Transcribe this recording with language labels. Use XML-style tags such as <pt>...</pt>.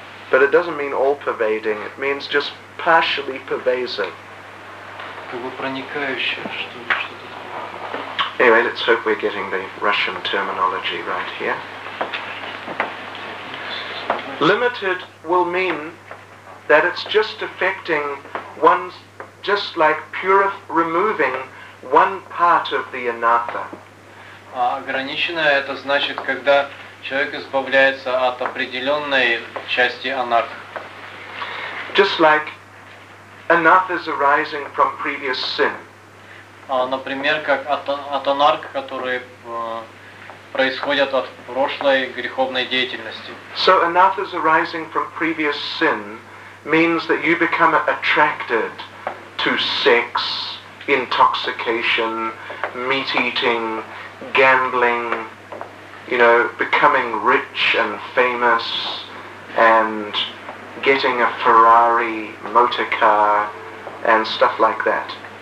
<en>But it doesn't mean all pervading. It means just partially pervasive.</en> <ru>Как бы проникающее, что-то.</ru> <en>Anyway, let's hope we're getting the Russian terminology right here. Limited will mean that it's just affecting one's, just like removing one part of the anatha.</en> <ru>Ограниченное – это значит, когда человек избавляется от определенной части анарх.</ru> <en>Just like anathas arising from previous sin.</en> <ru>Например, как от анарх, которые происходят от прошлой греховной деятельности.</ru> <en>So anathas arising from previous sin means that you become attracted to sex, intoxication, meat eating, gambling, you know, becoming rich and famous and getting a Ferrari motor car and stuff like that.</en>